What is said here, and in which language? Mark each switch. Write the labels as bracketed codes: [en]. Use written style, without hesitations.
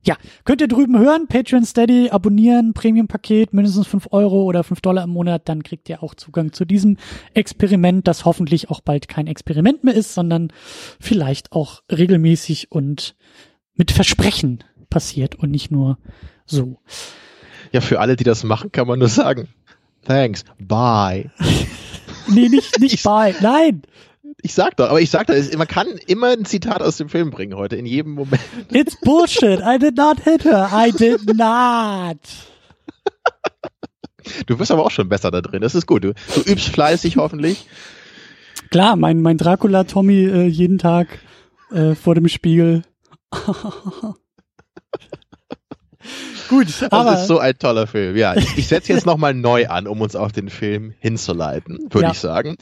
[de] Ja, könnt ihr drüben hören, Patreon, Steady, abonnieren, Premium-Paket, mindestens 5 Euro oder 5 Dollar im Monat, dann kriegt ihr auch Zugang zu diesem Experiment, das hoffentlich auch bald kein Experiment mehr ist, sondern vielleicht auch regelmäßig und mit Versprechen passiert und nicht nur so. Ja, für alle, die das machen, kann man nur sagen, [en] thanks, bye. [de] Nee, nicht bye, nein. Ich sag doch, aber ich sag doch, man kann immer ein Zitat aus dem Film bringen heute, in jedem Moment. [en] It's bullshit, I did not hit her, I did not. [de] Du wirst aber auch schon besser da drin, das ist gut, du übst fleißig hoffentlich. Klar, mein Dracula-Tommy jeden Tag vor dem Spiegel. Gut, aber das ist so ein toller Film. Ja, ich setze jetzt nochmal neu an, um uns auf den Film hinzuleiten, würde ich sagen.